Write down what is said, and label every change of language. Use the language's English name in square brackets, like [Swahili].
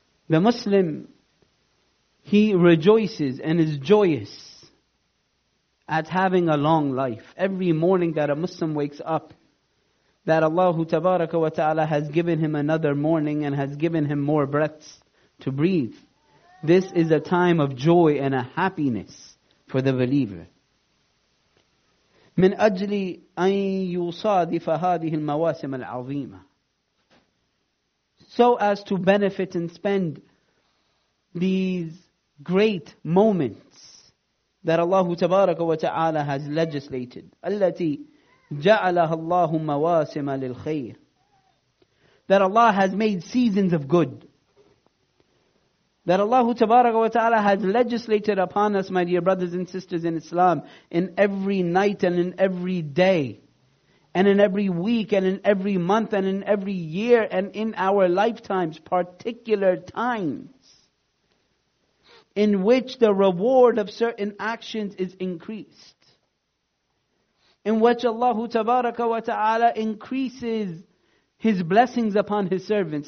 [English] The Muslim, he rejoices and is joyous at having a long life. Every morning that a Muslim wakes up, that Allah Tabaraka wa Ta'ala has given him another morning and has given him more breaths to breathe. This is a time of joy and a happiness for the believer. [Arabic] من أجل أن يصادف هذه المواسم العظيمة. [English] So as to benefit and spend these great moments that Allah Tabaraka wa Ta'ala has legislated. [Arabic] التي جعلها الله مواسم للخير. [English] That Allah has made seasons of good. That Allah Tabaraka wa Ta'ala has legislated upon us, my dear brothers and sisters in Islam, in every night and in every day, and in every week and in every month and in every year and in our lifetimes, particular times, in which the reward of certain actions is increased, in which Allah Tabaraka wa Ta'ala increases His blessings upon His servants.